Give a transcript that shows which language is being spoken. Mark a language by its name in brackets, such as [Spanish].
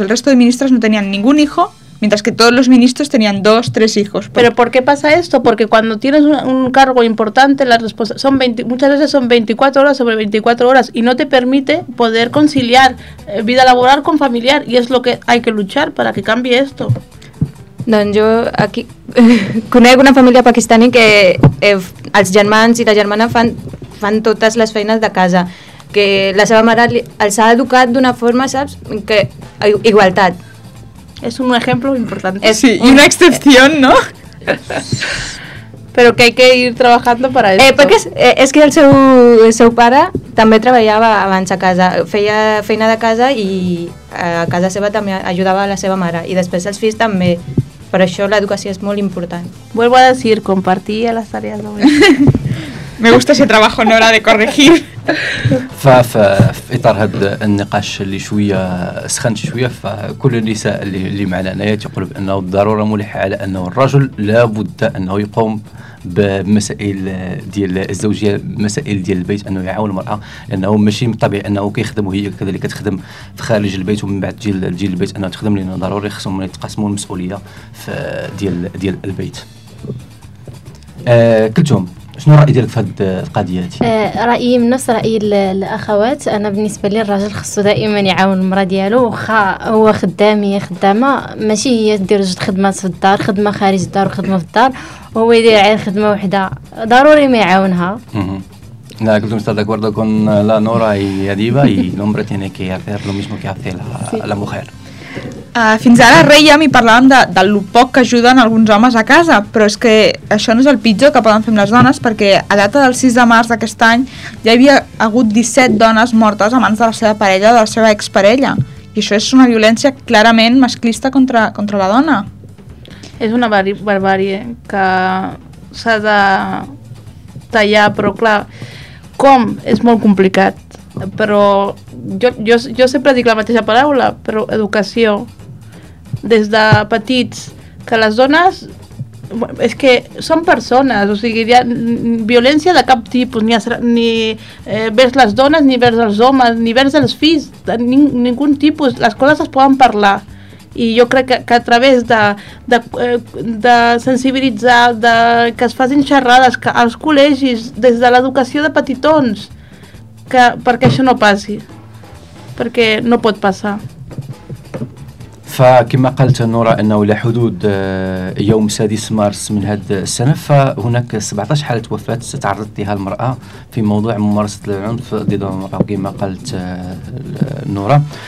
[Spanish] El resto de ministras no tenían ningún hijo, mientras que todos los ministros tenían 2-3 hijos. ¿Pero por qué pasa esto? Porque cuando tienes un cargo importante, las respuestas son muchas veces son 24 horas sobre 24 horas y no te permite poder conciliar vida laboral con familiar, y es lo que hay que luchar para que cambie esto. [Catalan] Doncs jo aquí conec una família pakistana que els germans i la germana fan totes les feines de casa, que la seva mare els ha educat d'una forma, saps, que igualtat. [Spanish] Es un ejemplo importante. Sí, y una excepción, ¿no? [Catalan] Però [Spanish] que hay que ir trabajando para esto. [Catalan] Perquè és que el seu pare també treballava abans a casa, feia feina de casa i a casa seva també ajudava la seva mare i després els fills també. Per això l'educació és molt important. [Spanish] Vuelvo a decir, compartir las tareas. Me gusta ese trabajo, no era de corregir. [Arabic] في إطار هذا النقاش اللي شوية سخن شوية فكل النساء اللي معنا نيات يقولوا بأنه الضرورة ملحة على أنه الرجل لابد أنه يقوم بمسائل ديال الزوجية مسائل ديال البيت أنه يعاون المرأة لأنه ماشي طبيعي أنه كيخدم وهي كذلك تخدم في خارج البيت ومن بعد تجي البيت أنه تخدم لأنه ضروري خصهم يتقاسموا المسؤولية ديال البيت. كلتهم شنو رأي ديالك في هاد القضية هادي؟ رأيي من نفس رأي الأخوات، أنا بالنسبة لي الراجل خصو دائما يعاون المرا ديالو، واخا هو خدام هي خدامة، ماشي هي دير جوج خدمات في الدار، خدمة خارج الدار وخدمة في الدار، وهو يدير عين خدمة وحدة، ضروري ما يعاونها. لا قلت مستر داك برضه كون لا نورا هي أديبة، هي نمرة تيني كي يعطيها لو ميشمو كي يعطيها لا مخير. [Catalan] Fins ara rèiem i parlàvem de lo poc que ajuden alguns homes a casa, però és que això no és el pitjor que poden fer amb les dones, perquè a data del 6 de març d'aquest any ja hi havia hagut 17 dones mortes a mans de la seva parella o de la seva exparella, i això és una violència clarament masclista contra la dona. És una barbàrie que s'ha de tallar, però clar, com? És molt complicat. Però jo sempre dic la mateixa paraula, però educació, des de petits, que les dones, és que són persones, o sigui, hi ha violència de cap tipus, ni vers les dones, ni vers els homes, ni vers els fills, ningú tipus, les coses es poden parlar. I jo crec que a través de sensibilitzar, de que es facin xerrades, que als col·legis, des de l'educació de petitons, perquè això no passi, perquè no pot passar. [Arabic] فكما قالت نورا انه الى حدود يوم 6 مارس من هذا السنه فهناك 17 حاله وفاه تعرضت لها المراه في موضوع ممارسه العنف ضد المراه كما قالت نورا.